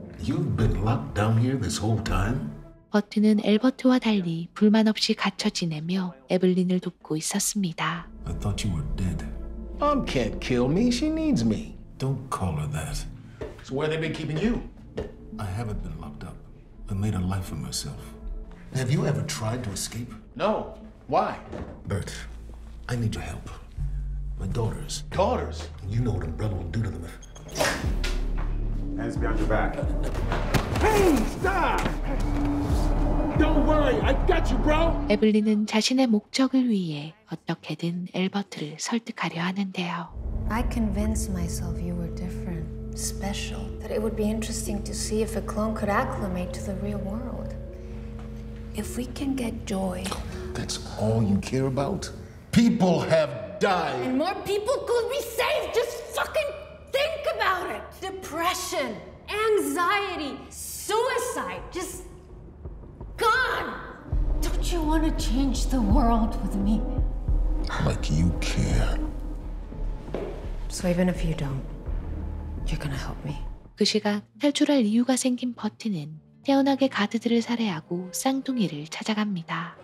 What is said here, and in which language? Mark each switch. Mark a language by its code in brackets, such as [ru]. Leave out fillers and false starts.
[en] You've been locked down here this whole time? [ko] 버트는 엘버트와 달리 불만 없이 갇혀 지내며 에블린을 돕고 있었습니다. [en] I thought you were dead. Mom can't kill me. She needs me. Don't call her that. So where have they been keeping you? I haven't been locked up. I made a life for myself. Have you ever tried to escape? No. Why? Bert, I need your help. My daughters. Daughters? You know what Umbrella will do to them. Hands behind your back. Hey, stop! Don't worry, I got you, bro. [ko] 에블린은 자신의 목적을 위해 어떻게든 엘버트를 설득하려 하는데요. [en] I convinced myself you were different. Special, that it would be interesting to see if a clone could acclimate to the real world. If we can get Joy... That's all you care about? People have died! And more people could be saved! Just fucking think about it! Depression, anxiety, suicide, just gone! Don't you want to change the world with me? Like you care. So even if you don't, You're gonna help me. [ko] 그 시각 탈출할 이유가 생긴 버튼은 태연하게 가드들을 살해하고 쌍둥이를 찾아갑니다.